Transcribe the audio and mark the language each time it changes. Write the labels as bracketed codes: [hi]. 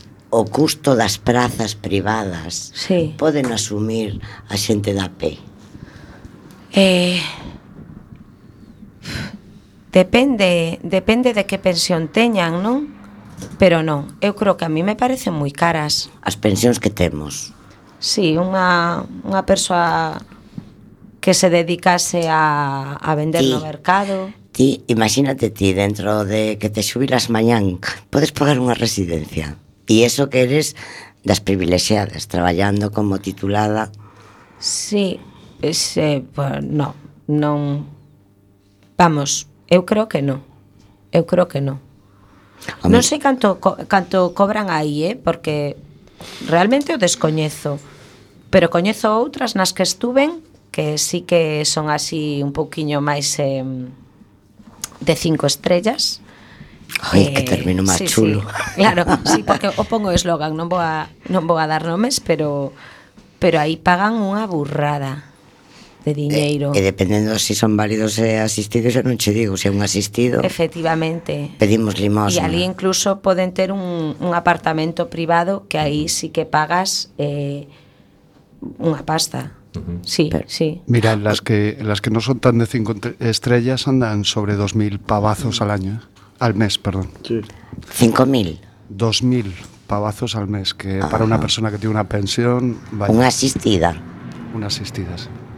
[gl] O custo das prazas privadas, sí, poden asumir a xente da P? Depende de que pensión teñan, non? Pero non, eu creo que a mí me parecen moi caras. As pensións que temos. Sí, unha persoa que se dedicase a vender no mercado. Ti, imagínate ti, dentro de que te xubilas mañán, podes pagar unha residencia. E eso que eres das privilexiadas, traballando como titulada. Sí, ese, bueno, non. Vamos, eu creo que non. Eu creo que non. Non sei canto cobran aí, porque realmente o descoñezo. Pero coñezo outras nas que estuven que sí que son así un pouquiño máis de 5 estrellas. Ai, que termino máis, sí, chulo. Sí, claro, sí, porque o pongo eslogan, non vou a dar nomes, pero aí pagan unha burrada de diñeiro. E dependendo se si son válidos e asistidos, eu non che digo se si é un asistido. Efectivamente. Pedimos limosna. E ali incluso poden ter un apartamento privado que aí sí que pagas unha pasta. Sí, pero, sí. [es] Mira, las que non son tan de 5 estrellas andan sobre 2000 pavazos al año, al mes, perdón. Sí. 5000. 2000 pavazos al mes, que ajá, para una persona que tiene una pensión, [gl] vaya. Unha asistida. Unha asistida, sí.